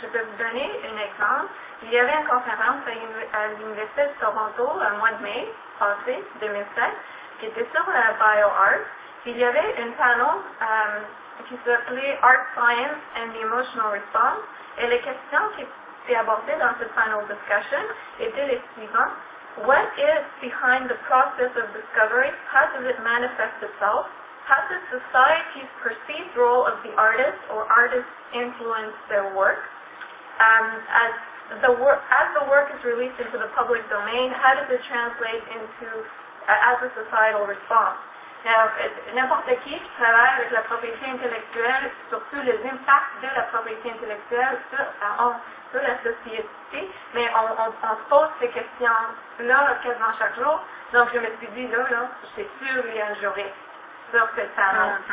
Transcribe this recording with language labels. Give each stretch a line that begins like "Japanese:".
French: Je peux vous donner un exemple. Il y avait une conférence à l'Université de Toronto au mois de mai passé, 2007, qui était sur la bio-art. Il y avait un panel qui s'appelait Art Science and the Emotional Response. Et les questions qui étaient abordées dans ce
English: panel discussion
French: étaient les suivantes.
English: What is behind the process of discovery? How does it manifest itself? How does society's perceived role of the artist or artists influence their work? As the work is released into the public domain, how does it translate into as a societal response? Now,
French: n'importe qui travaille avec la propriété intellectuelle, surtout les impacts de la propriété intellectuelle sur la société, mais on se pose ces questions-là quasiment chaque jour. Donc, je me suis dit, là, c'est sûr, il y a un jury sur ce salon.